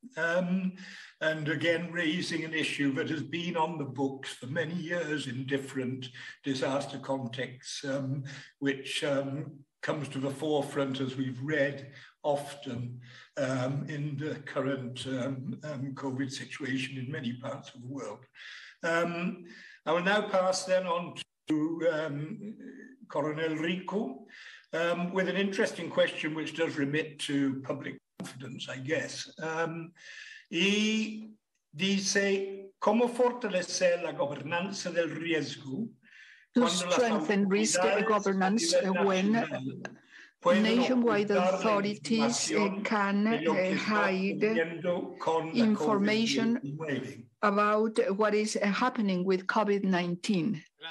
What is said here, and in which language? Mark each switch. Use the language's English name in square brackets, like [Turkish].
[English] And again, raising an issue that has been on the books for many years in different disaster contexts, which comes to the forefront, as we've read often, in the current COVID situation in many parts of the world. I will now pass then on to Coronel Rico, with an interesting question which does remit to public confidence, I guess. [Spanish] Y dice, ¿cómo fortalece la gobernanza del riesgo? [English] To strengthen risk governance when nationwide authorities can hide information about what is happening with COVID-19.